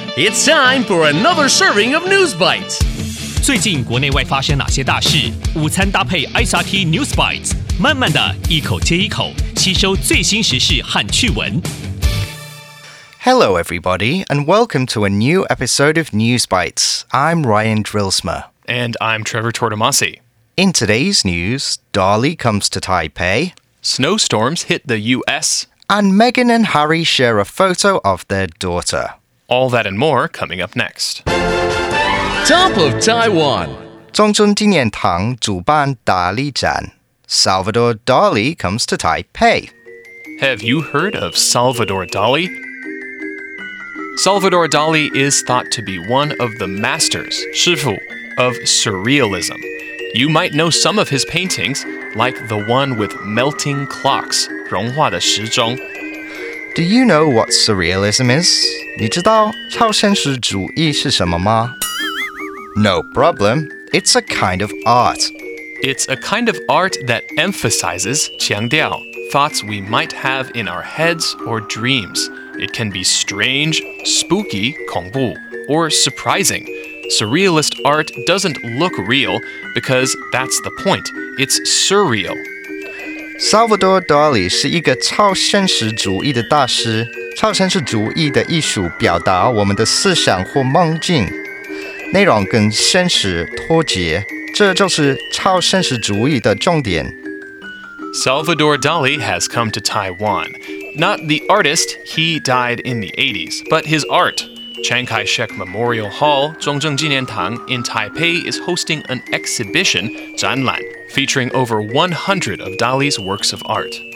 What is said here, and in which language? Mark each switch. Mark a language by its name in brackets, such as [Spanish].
[English] It's time for another serving of News Bites. [Chinese] 最近国内外发生哪些大事？午餐搭配 SRT News Bites， 慢慢的一口接一口，吸收最新时事和趣闻。 [English] Hello, everybody, and welcome to a new episode of News Bites. I'm Ryan Drilsma. And I'm Trevor Tortomasi. In today's news, Dolly comes to Taipei. Snowstorms hit the U.S. And Meghan and Harry share a photo of their daughter. All that and more coming up next. Top of Taiwan! [Chinese] 中春纪念堂主办达利展。 [English] Salvador Dolly comes to Taipei. Have you heard of Salvador Dolly? Salvador Dali is thought to be one of the masters, [Chinese] 师傅, [English] of surrealism. You might know some of his paintings, like the one with melting clocks, [Chinese] 融化的时钟. [English] Do you know what surrealism is? [Chinese] 你知道超现实主义是什么吗? [English] No problem. It's a kind of art. It's a kind of art that emphasizes, [Chinese] 强调, [English] thoughts we might have in our heads or dreams. It can be strange, spooky, [Chinese] 恐怖, [English] or surprising. Surrealist art doesn't look real, because that's the point. It's surreal. [Chinese] Salvador Dali 是一个超现实主义的大师。超现实主义的艺术表达我们的思想或梦境。内容跟现实脱节。这就是超现实主义的重点。 [English] Salvador Dali has come to Taiwan. Not the artist, he died in the 80s, but his art. Chiang Kai-shek Memorial Hall, 中正纪念堂 in Taipei is hosting an exhibition, 展览, featuring over 100 of Dali's works of art.